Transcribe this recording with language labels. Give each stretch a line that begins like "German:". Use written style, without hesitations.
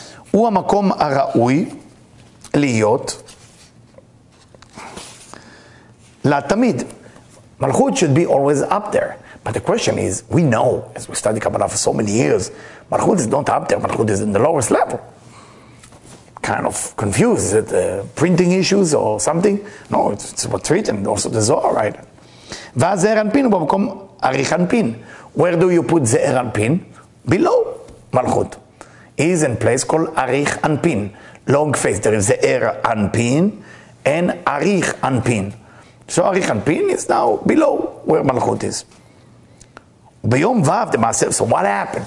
Hebrew: הוא המקום הראוי להיות לתמיד.
English: Malchut should be always up there. But the question is, we know, as we study Kabbalah for so many years, Malchut is not up there, Malchut is in the lowest level. Kind of confused, is it printing issues or something? No, it's what's written, also the Zohar, right?
Hebrew: ואז זער אנפין הוא במקום עריך אנפין.
English: Where do you put Ze'er Anpin? Below Malchut. Is in place called Arich Anpin. Long face. There is Ze'er Anpin and Arich Anpin. So Arich Anpin is now below where Malchut is. Beyom Vav, the Maaseh. So what happened?